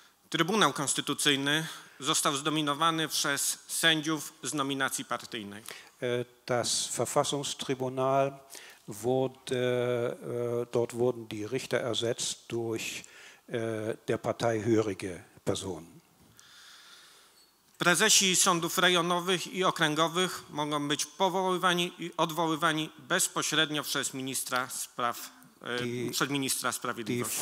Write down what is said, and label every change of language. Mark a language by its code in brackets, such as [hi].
[pl] Trybunał Konstytucyjny został zdominowany przez sędziów z nominacji partyjnej. [de] Das Verfassungstribunal wurde, dort wurden die Richter ersetzt durch der parteihörige Personen. [pl] Prezesi sądów rejonowych i okręgowych mogą być powoływani i odwoływani bezpośrednio przez ministra spraw, przez ministra sprawiedliwości.